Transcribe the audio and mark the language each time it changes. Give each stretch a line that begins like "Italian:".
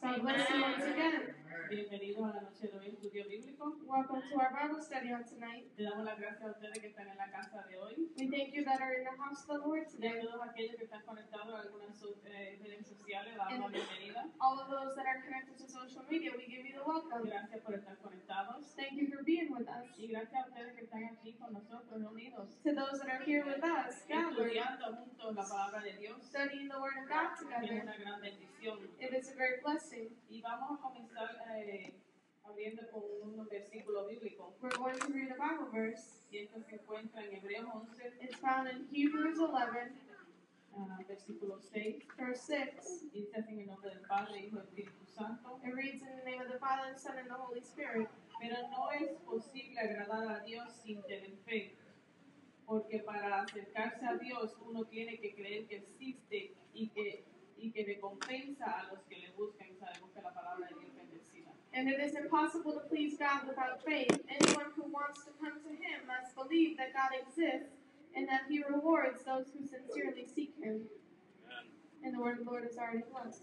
Spanish: Bienvenidos a la noche de hoy en Estudio Bíblico.
English: Welcome to our Bible study on tonight.
Spanish: Le damos las gracias a ustedes que están en la casa de hoy.
English: We thank you that are in the house of the Lord today.
Spanish: Y a todos aquellos que están conectados a algunas redes sociales, damos la bienvenida.
English: All of those that are connected to social media, we give you the welcome.
Spanish: Gracias por estar conectados.
English: Thank you for being with us.
Spanish: Y gracias a ustedes que están aquí con nosotros reunidos.
English: To those that are here with us,
Spanish: estudiando juntos la palabra de Dios.
English: Studying the word of God together. It is a great blessing.
Spanish: Y vamos a comenzar abriendo con un versículo bíblico.
English: We're going to read a Bible verse.
Spanish: Y esto se encuentra en Hebreos 11.
English: It's found in Hebrews 11,
Spanish: versículo 6.
English: Verse 6.
Spanish: Y dice en el nombre del Padre, Hijo y Espíritu Santo.
English: It reads in the name of the Father, the Son, and the Holy Spirit.
Spanish: Pero no es posible agradar a Dios sin tener fe. Porque para acercarse a Dios, uno tiene que creer que existe y que recompensa a los que le buscan. Sabemos que la palabra de Dios bendecida.
English: And it is impossible to please God without faith. Anyone who wants to come to Him must believe that God exists and that He rewards those who sincerely seek Him. Amen. And the word of the Lord is already blessed.